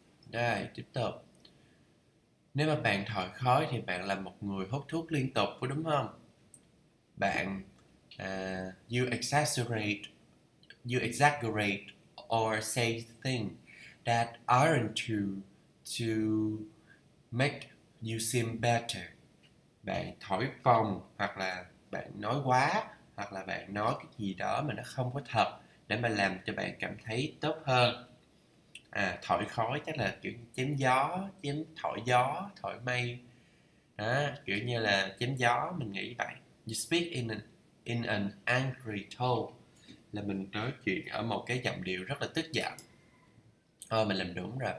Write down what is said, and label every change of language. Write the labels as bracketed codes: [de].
[vi] Đây, tiếp tục. Nếu mà bạn thổi khói thì bạn là một người hút thuốc liên tục, có đúng không? [en] Bạn you exaggerate or say things that aren't true to make you seem better. [vi] Bạn thổi phồng hoặc là bạn nói quá hoặc là bạn nói cái gì đó mà nó không có thật để mà làm cho bạn cảm thấy tốt hơn. À, thổi khói chắc là kiểu chém thổi gió, thổi mây. Đó, kiểu như là chém gió mình nghĩ vậy. [en] You speak in an angry tone, [vi] là mình nói chuyện ở một cái giọng điệu rất là tức giận. Ờ, mình làm đúng rồi.